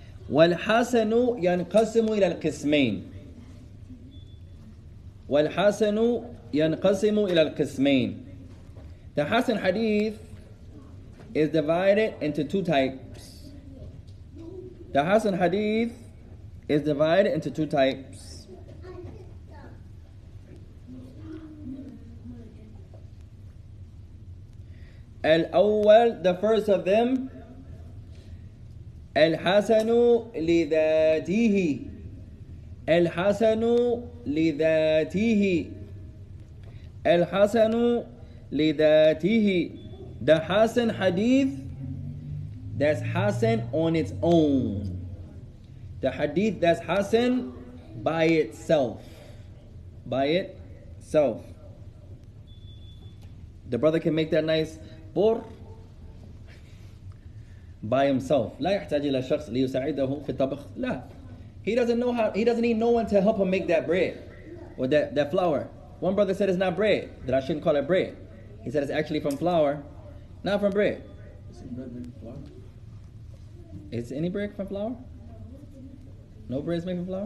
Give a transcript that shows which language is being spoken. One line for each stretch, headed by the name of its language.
Arabic: والحسن ينقسم إلى القسمين, والحسن ينقسم إلى القسمين.
English: The Hassan Hadith is divided into two types. The Hassan Hadith is divided into two types. Al-awwal, the first of them, Al-Hasanu li-dhatihi.
Arabic: Al-Hasanu li-dhatihi. Al-Hasanu لذاته.
English: The Hassan Hadith that's Hassan on its own. The Hadith that's Hassan by itself. By itself. The brother can make that nice pour by himself.
Arabic: لا يحتاج إلى شخص ليساعده في الطبخ. لا.
English: He doesn't need no one to help him make that bread or that flour. One brother said it's not bread, that I shouldn't call it bread. He said it's actually from flour, not from bread. Is any bread made from flour? Is any bread from flour? No bread is made from flour?